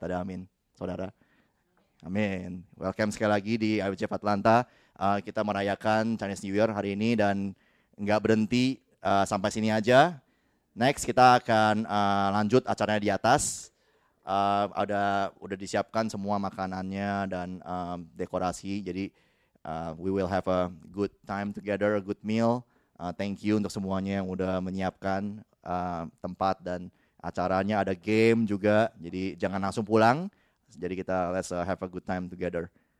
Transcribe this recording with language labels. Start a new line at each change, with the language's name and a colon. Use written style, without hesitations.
Indonesian: Ada amin, saudara. Amin. Welcome sekali lagi di IWCF Atlanta. Kita merayakan Chinese New Year hari ini dan nggak berhenti sampai sini aja. Next kita akan lanjut acaranya di atas. Ada udah disiapkan semua makanannya dan dekorasi. Jadi
English: we will have a good time together, a good meal. Thank you
Indonesian: untuk semuanya yang udah menyiapkan tempat dan acaranya. Ada game juga. Jadi jangan langsung pulang. Jadi kita
English: let's have a good time together.